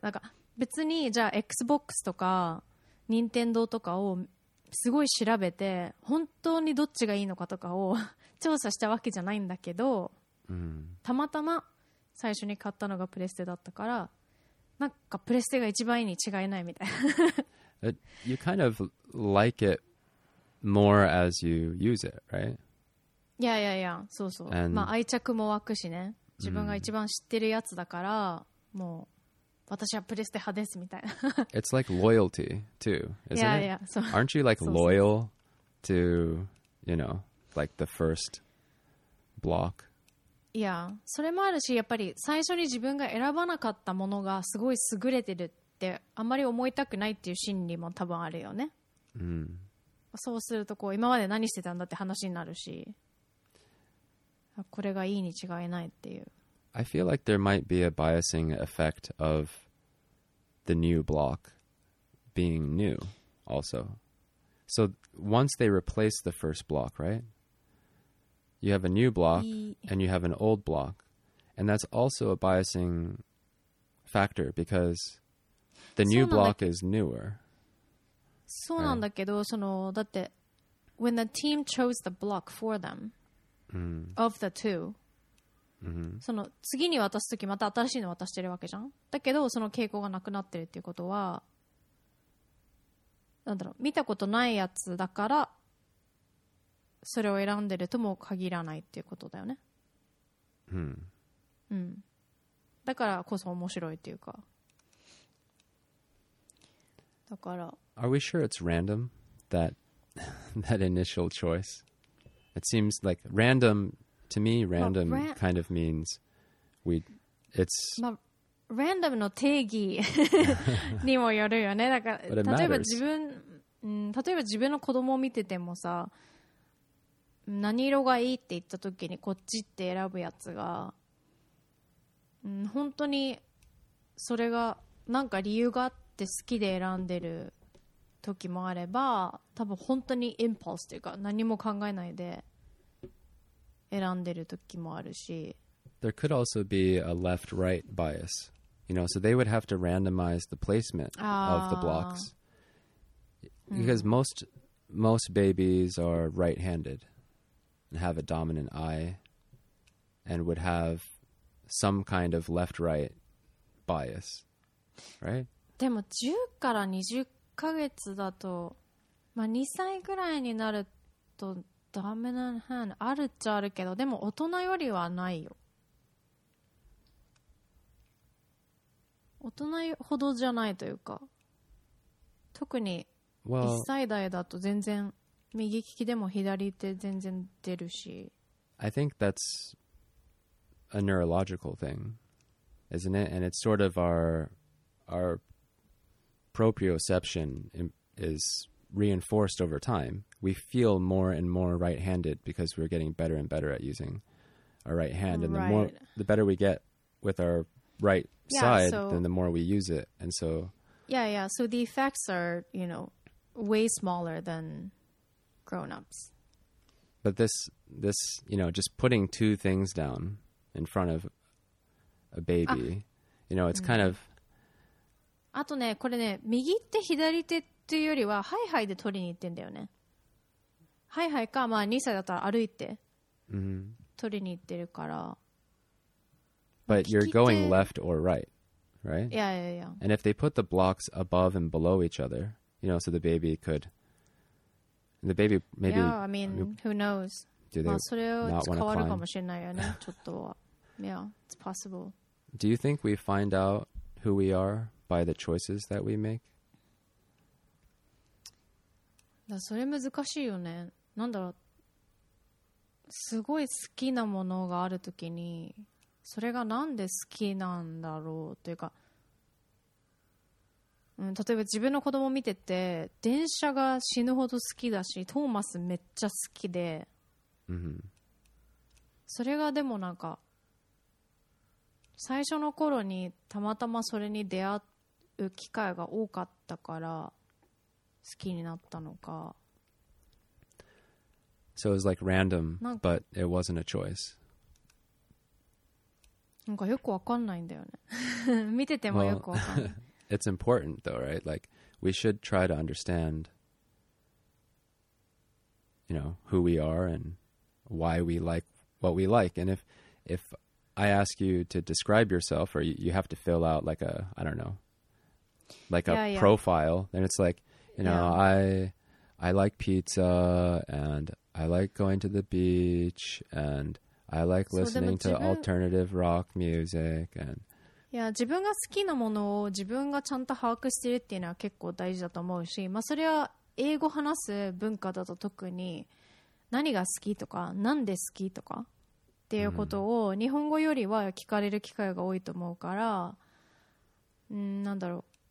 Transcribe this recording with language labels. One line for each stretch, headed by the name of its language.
Japanese: なんか別にじゃあ Xbox とか任天堂とかをすごい調べて本当にどっちがいいのかとかを調査したわけじゃないんだけど、たまたま最初に買ったのがプレステだったから、なんかプレステが一番いいに違いないみたいな。
English: You kind of like it more as you use it, right?
Japanese: いやいやいや、そうそう。まあ愛着も湧くしね。自分が一番知ってるやつだから、もう私はプレステ派ですみたいな。
English: It's like loyalty too, isn't yeah, it? Yeah, so. Aren't you like loyal to, you know, like the first block?
Japanese: いや、それもあるし、やっぱり最初に自分が選ばなかったものがすごい優れてるってあんまり思いたくないっていう心理も多分あるよね。そうするとこう今まで何してたんだって話になるし、これがいいに違いないっていう。
English: I feel like there might be a biasing effect of the new block being new also. So once they replace the first block, right? You have a new block and you have an old block. And that's also a biasing factor because the new block is newer.
Japanese: そうなんだけど、そのだって
English: when the team chose the block for them, of the two,
Japanese: その次に渡すときまた新しいの渡してるわけじゃん。だけどその傾向がなくなってるっていうことは、なんだろう、見たことないやつだからそれを選んでるとも限らないっていうことだよね。だからこそ面白いっていうか。だから。
English: Are we sure it's random that initial choice? It seems like random. To me, random kind of means it's...
Japanese: Random の定義にもよるよね。だから例えば自分、例えば自分の子供を見ててもさ、何色がいいって言った時にこっちって選ぶやつが、本当にそれがなんか理由があって好きで選んでる時もあれば、多分本当にインパルスというか何も考えないで選んでる時もあるし、
English: There could also be a left-right bias, you know, so they would have to randomize the placement of the blocks because most babies are right-handed and have a dominant eye and would have some kind of left-right bias, right?
Japanese: でも10から20ヶ月だと、まあ、2歳ぐらいになるとダメなの、あるっちゃあるけど、でも大人よりはないよ。大人ほどじゃないというか、特に
English: Well,
Japanese: 1歳代だと全然右利きでも左手全然出るし。
English: I think that's a neurological thing, isn't it? And it's sort of our proprioception is reinforced over time. We feel more and more right-handed because we're getting better and better at using our right hand. And right. The better we get with our right side, then the more we use it. And so... Yeah, yeah. So the effects are, you know, way smaller than grown-ups. But this, you know, just putting two things down in front of a baby, you know, it's kind of...
Japanese: あとね、これね、右手、左手っていうよりは、ハイハイで取りに行ってんだよね。ハイハイか、まあ2歳だったら歩いて取りに行ってるから。
English: But you're going left or right, right? Yeah, yeah, yeah. And if they put the blocks above and below each other, you know, so the baby could... The baby maybe... Yeah, I mean, who knows? Do they
Japanese: まあそれを使うかもしれないよね、ちょっとは。
English: Yeah, it's possible. Do you think we find out who we are by the choices that we make?
Japanese: だそれ難しいよね。なんだろう。すごい好きなものがあるときに、それがなんで好きなんだろうというか、例えば自分の子供見てて、電車が死ぬほど好きだし、トーマスめっちゃ好きで、
English: mm-hmm.
Japanese: それがでもなんか、最初の頃にたまたまそれに出会って、機会が多かったから好きになったのか。
English: So it was like random, but it wasn't a choice.
Japanese: なんかよくわかんないんだよね。見ててもよくわかんない。
English: Well, it's important though, right? Like, we should try to understand, you know, who we are and why we like what we like. And if I ask you to describe yourself, or you have to fill out like a, I don't know,like a yeah, yeah. profile, then it's like, you know, yeah. I like pizza and I like going to the beach and I like listening to alternative rock music and
Japanese: yeah, 自分が好きなものを自分がちゃんと把握してるっていうのは結構大事だと思うし、まあそれは英語話す文化だと特に何が好きとか何で好きとかっていうことを日本語よりは聞かれる機会が多いと思うから、なんだろう。